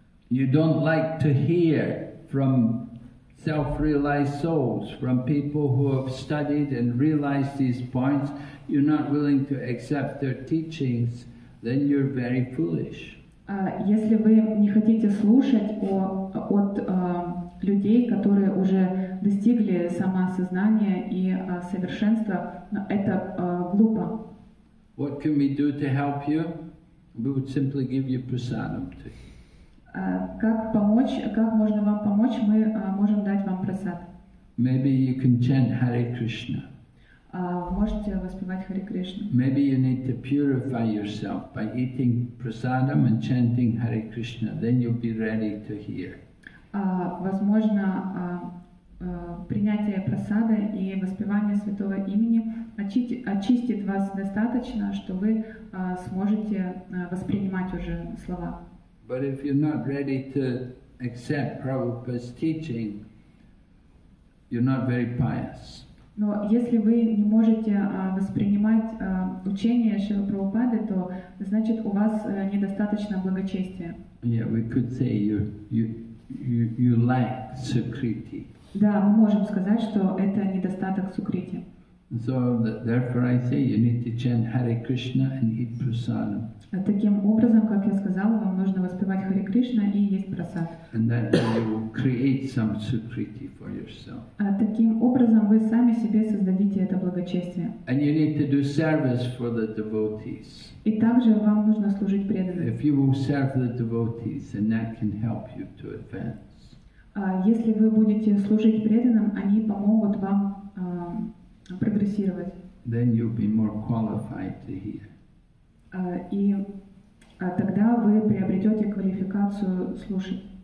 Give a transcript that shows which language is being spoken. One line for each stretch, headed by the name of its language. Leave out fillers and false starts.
English: You don't like to hear from self-realized souls, from people who have studied and realized these points. You're not willing to accept their teachings, then you're very foolish.
Russian: Если вы не хотите слушать от людей, которые уже достигли самосознания и совершенства, это глупо.
English: What can we do to help you? We would simply give you prasadam.
Russian: Как помочь, как можно вам помочь, мы можем дать вам прасад.
English: Maybe you can chant Hare Krishna.
Russian: Можете воспевать Hare Krishna.
English: Maybe you need to purify yourself by eating prasadam and chanting Hare Krishna. Then you'll be ready to hear.
Russian: Возможно, принятие прасада и воспевание святого имени очистит вас достаточно, что вы сможете воспринимать уже слова.
English: But if you're not ready to accept Prabhupada's teaching, you're not very pious.
Russian: Но если вы не можете воспринимать учение Шрилы Прабхупады, то значит у вас недостаточно благочестия.
English: Yeah, we could say you lack sukriti.
Russian: Да, мы можем сказать, что это недостаток сукрити.
English: So therefore I say you need to chant Hare Krishna and eat prasadam.
Russian: Таким образом, как я сказал, вам нужно воспевать Хари Кришна и есть прасад.
English: And that you will create some sukriti for yourself.
Russian: Таким образом, вы сами себе создадите это благочестие.
English: And you need to do service for the devotees.
Russian: И также вам нужно служить преданным.
English: If you will serve the devotees, then that can help you to advance.
Russian: Если вы будете служить преданным, они помогут вам прогрессировать.
English: Then you'll be more qualified to hear.
Russian: Тогда вы приобретете квалификацию слушать.